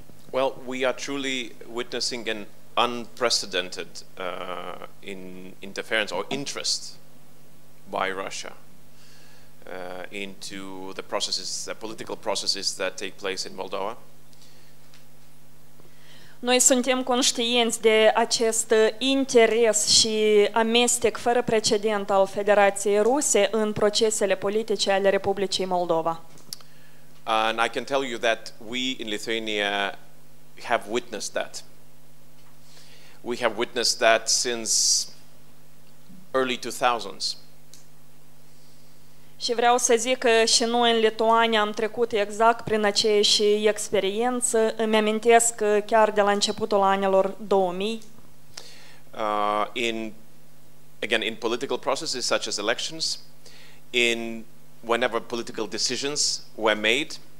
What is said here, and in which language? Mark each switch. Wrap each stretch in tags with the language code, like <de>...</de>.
<en>Well, we are truly witnessing an unprecedented interference or interest by Russia into the processes, the political processes that take place in Moldova.</en> <ro>Noi suntem conștienți de acest interes și amestec fără precedent al Federației Ruse în procesele politice ale Republicii Moldova.</ro> <en>And I can tell you that we in Lithuania have witnessed that. We have witnessed that since early 2000s.</en> <ro>Și vreau să zic că și noi în Lituania am trecut exact prin aceeași experiență. Îmi amintesc chiar de la începutul anilor 2000.</ro> <en>In political processes such as elections, in whenever political decisions were made,</en>